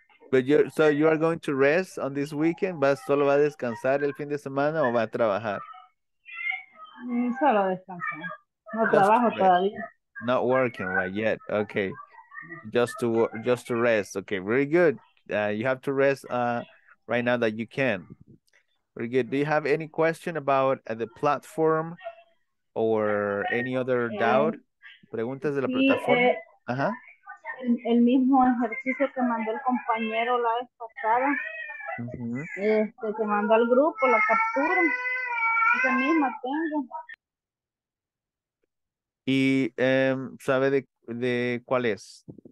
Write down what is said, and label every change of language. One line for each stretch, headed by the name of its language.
English: But you are going to rest on this weekend?
Spanish: ¿Vas solo va a descansar el fin de semana o va a trabajar? Solo descansar. No trabajo todavía.
English: Not working right yet. Okay. Just to rest. Okay. Very good. You have to rest right now that you can. Very good. Do you have any question about the platform or any other doubt?
Spanish: Preguntas de la plataforma. Ajá. El mismo ejercicio que mandó el compañero la vez pasada, que mandó al grupo la captura, esa misma tengo. ¿Y sabe de cuál es?